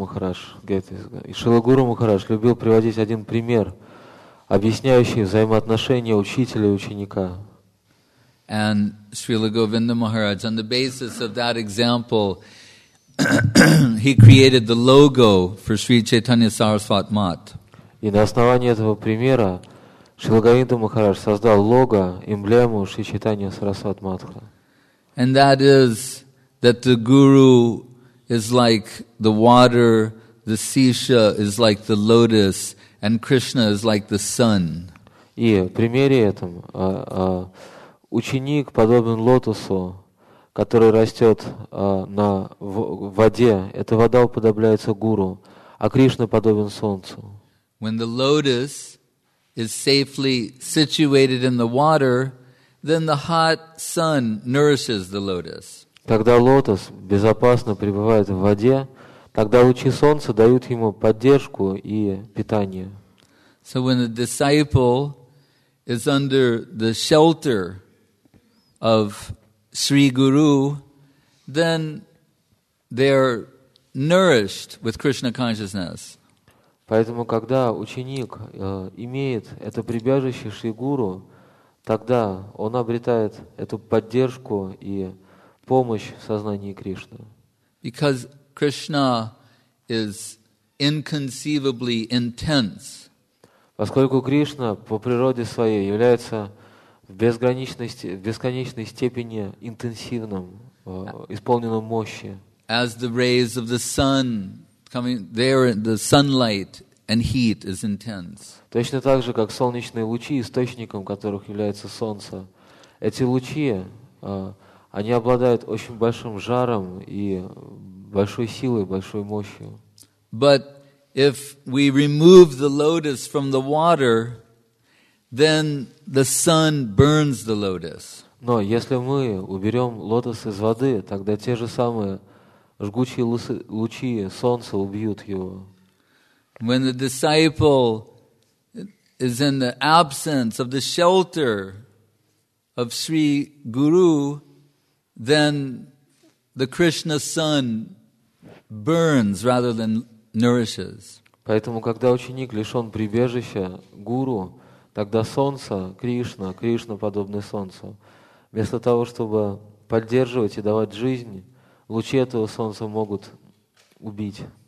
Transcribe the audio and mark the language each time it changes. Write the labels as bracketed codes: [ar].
[ru] Srila Guru Maharaj любил приводить один пример, объясняющий взаимоотношения учителя и ученика. [en] And Srila Govinda Maharaj, on the basis of that example, he created the logo for Sri Chaitanya Sarasvat Math. [ru] И на основании этого примера Шрила Говинда Махарадж создал лого, эмблему Шри Чайтанья Сарасват Матха. [en] And that is that the guru is like the water, the sisha is like the lotus, and Krishna is like the sun. [ru] И в примере этом ученик подобен лотосу, который растет в воде. Эта вода уподобляется гуру, а Кришна подобен солнцу. [en] When the lotus is safely situated in the water, then the hot sun nourishes the lotus. [ru] Когда лотос безопасно пребывает в воде, тогда лучи солнца дают ему поддержку и питание. [en] So when the disciple is under the shelter of Sri Guru, then they're nourished with Krishna consciousness. [ru] Поэтому, когда ученик имеет это прибежище Шри Гуру, тогда он обретает эту поддержку и помощь в сознании Кришны. [en] Because Krishna is inconceivably intense. [ru] Поскольку Кришна по природе своей является в бесконечной степени интенсивным, исполненным мощи. [en] As the rays of the sun coming there, the sunlight and heat is intense. [ru] Точно так же, как солнечные лучи, источником которых является солнце, эти лучи, они обладают очень большим жаром и большой силой, большой мощью. [en] But if we remove the lotus from the water, then the sun burns the lotus. [ru] Но если мы уберем лотос из воды, тогда те же самые жгучие лучи солнца убьют его. [en] When the disciple is in the absence of the shelter of Sri Guru, then the Krishna sun burns rather than nourishes. [ru] Поэтому, когда ученик лишен прибежища Гуру, тогда солнце, Кришна, подобный солнцу, вместо того, чтобы поддерживать и давать жизнь, лучи этого солнца могут убить,